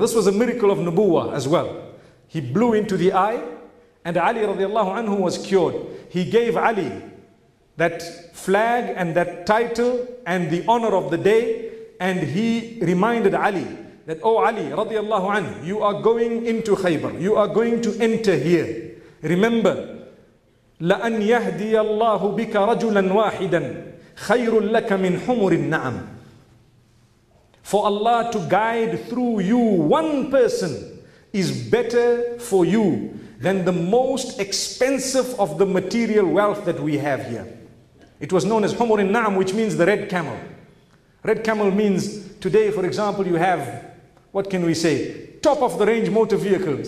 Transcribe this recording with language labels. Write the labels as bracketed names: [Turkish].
[English] This was a miracle of Nubuwa as well. He blew into the eye and Ali radiallahu anhu was cured. He gave Ali that flag and that title and the honor of the day. And he reminded Ali that, oh Ali radiallahu anhu, you are going into Khaybar. You are going to enter here. [Arabic] Remember, لَأَنْ يَهْدِيَ اللَّهُ بِكَ رَجُلًا وَاحِدًا خَيْرٌ لَكَ مِنْ حُمُرِ النَّعَمِ. [English] For Allah to guide through you one person is better for you than the most expensive of the material wealth that we have here. It was known as Humur al-Na'am, which means the red camel. Red camel means today, for example, you have, what can we say, top of the range motor vehicle.